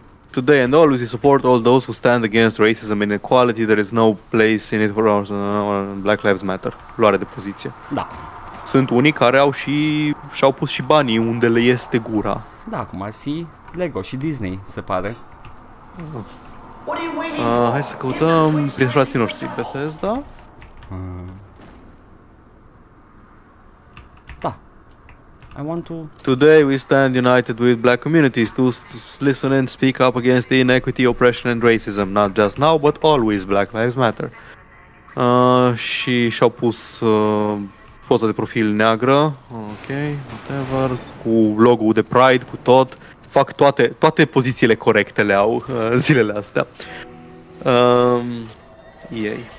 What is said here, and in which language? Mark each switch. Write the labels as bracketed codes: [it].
[en] Today and always we support all those who stand against racism and inequality. There is no place in it for our Black Lives Matter. [ro] Luare de poziție. Da. Sunt unii care au și și-au pus și banii unde le este gura. Da, cum ar fi Lego și Disney, se pare. Hai să căutăm prin frații noștri Bethesda. [en] Da. I want to... Today we stand united with black communities to listen and speak up against the inequity, oppression and racism. Not just now, but always Black Lives Matter. [ro] Și și-au pus poza de profil neagră. [en] Ok, whatever. [ro] Cu logo-ul de Pride, cu tot. Fac toate, toate pozițiile corecte le au zilele astea. Ei.